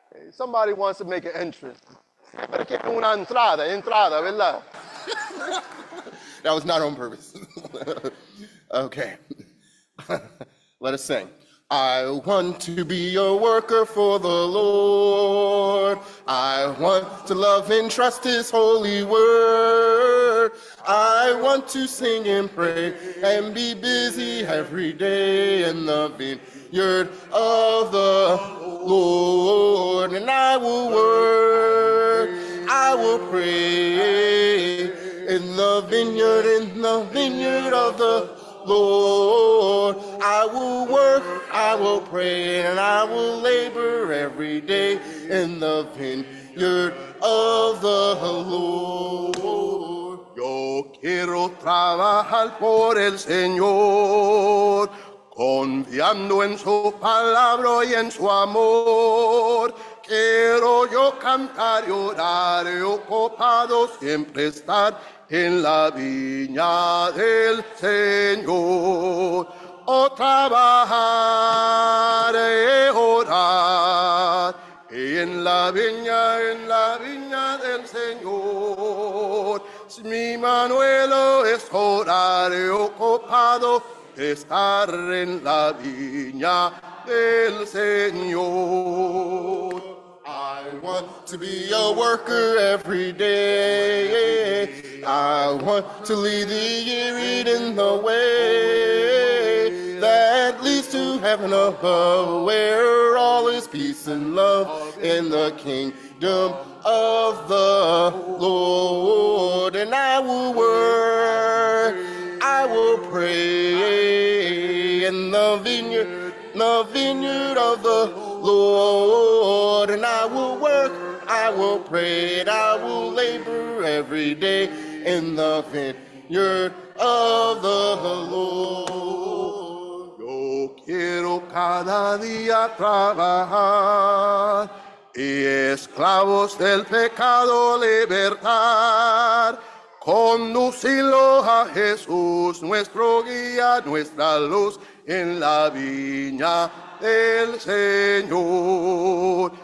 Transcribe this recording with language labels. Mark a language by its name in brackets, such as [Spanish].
[English] Somebody wants to make an entrance. [Spanish] Pero quiero una entrada, entrada, ¿verdad? [English] That was not on purpose. Okay. Let us sing. I want to be a worker for the Lord. I want to... to love and trust his holy word. I want to sing and pray and be busy every day in the vineyard of the Lord. And I will work, I will pray in the vineyard of the Lord. I will work, I will pray, and I will labor every day in the vineyard of the Lord. [Spanish] Yo quiero trabajar por el Señor, confiando en su palabra y en su amor. Quiero yo cantar y orar, ocupado siempre estar en la viña del Señor. O trabajar e orar en la viña del Señor. Si mi Manuelo es orar y ocupado estar en la viña del Señor. [English] I want to be a worker every day. I want to lead the weary in the way that leads to heaven above, where all is peace and love in the kingdom of the Lord. And I will work, I will pray in the vineyard of the Lord. And I will work, I will pray, and I will labor every day in the vineyard of the Lord. [Spanish] Yo quiero cada día trabajar y esclavos del pecado libertar, conducirlo a Jesús, nuestro guía, nuestra luz en la viña del Señor.